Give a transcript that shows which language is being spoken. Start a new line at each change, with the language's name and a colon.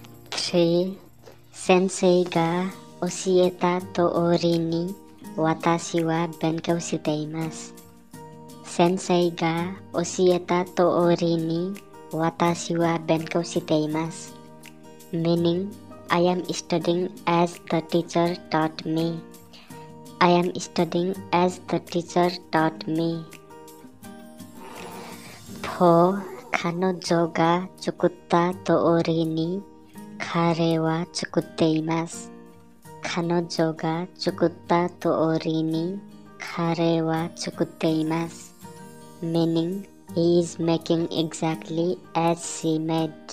Japanese: 3. 先生が教えたとおりに私は勉強しています。先生が教えたとおりに私は勉強しています。
English: Meaning,I am studying as the teacher taught me. I am studying as the teacher taught me. 4.
Japanese: 彼女が作った通りに彼は作っています。彼女が作った通りに彼は作っています。
English: Meaning, he is making exactly as she made.